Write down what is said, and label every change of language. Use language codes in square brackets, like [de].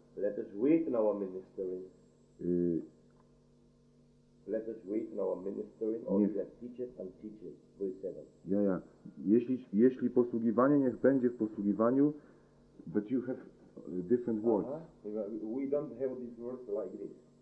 [en] Let us wait in our ministering. Let us wait in our ministering, or let us teach it and teach it. Verse 7. Ja. [pl] Jeśli posługiwanie niech będzie w posługiwaniu, [en] but you have different words. Uh-huh. We don't have these words like this.